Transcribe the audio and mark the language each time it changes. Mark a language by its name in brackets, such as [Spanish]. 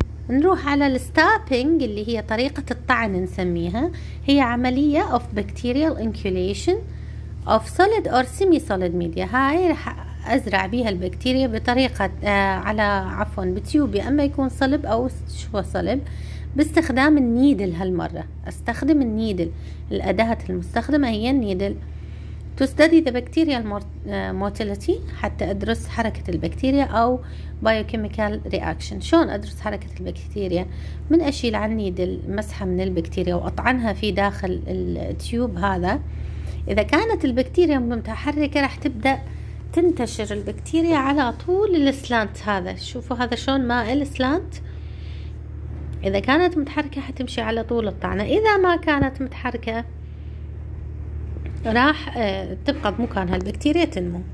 [Arabic] نروح على الستابينج اللي هي طريقة الطعن نسميها، هي عملية [English] of bacterial inoculation of solid or semi-solid media. [Arabic] هاي رح أزرع بيها البكتيريا بطريقة على عفوا بتيوبي، أما يكون صلب أو شو صلب، باستخدام النيدل هالمرة. أستخدم النيدل، الأداة المستخدمة هي النيدل. [English] To study the bacterial motility [Arabic] حتى أدرس حركة البكتيريا أو [English] biochemical reaction. [Arabic] شلون أدرس حركة البكتيريا؟ من أشيل عني المسحة من البكتيريا وأطعنها في داخل التيوب هذا، إذا كانت البكتيريا متحركة راح تبدأ تنتشر البكتيريا على طول السلانت هذا. شوفوا هذا شلون مائل سلانت، إذا كانت متحركة حتمشي على طول الطعنة، إذا ما كانت متحركة راح تبقى بمكان هالبكتيريا تنمو.